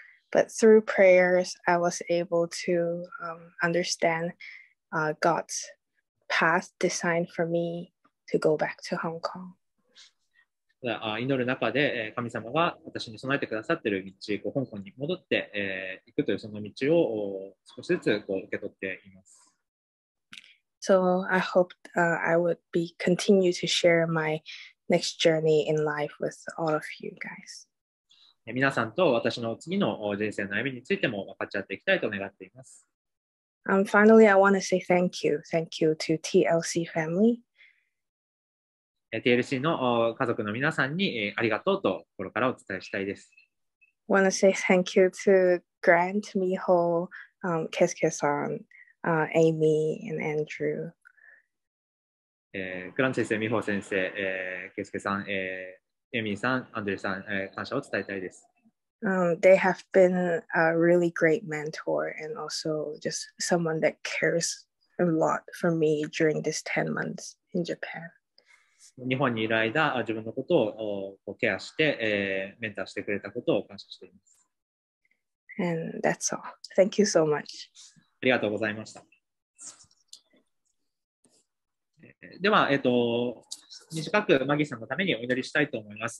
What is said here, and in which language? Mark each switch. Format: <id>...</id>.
<en>But through prayers, I was able to understand God's path designed for me to go back to Hong Kong.</en> <ja>祈る中で神様が私に備えてくださっている道、こう香港に戻って、行くというその道を少しずつこう受け取っています。</ja> <en>So I hope I would be continue to share my next journey in life with all of you guys.</en> <ja>皆さんと私の次の人生の歩みについても分かち合っていきたいと願っています。</ja> <en>Finally, I want to say thank you. Thank you to TLC family.</en> <ja>TLC の家族の皆さんにありがとうと心からお伝えしたいです。</ja> <en>I want to say thank you to Grant, Miho, Keske-san. Amy and Andrew.</en> <ja>Grant 先生、美穂先生、ケスケさん、Amy さん、Andrew さん、感謝を伝えたいです。</ja> <en>They have been a really great mentor and also just someone that cares a lot for me during this 10 months in Japan.</en> <ja>日本にいる間、自分のことをケアして、メンターしてくれたことを感謝しています。</ja> <en>And that's all. Thank you so much.</en> <ja>ありがとうございました。では、短くマギーさんのためにお祈りしたいと思います。</ja>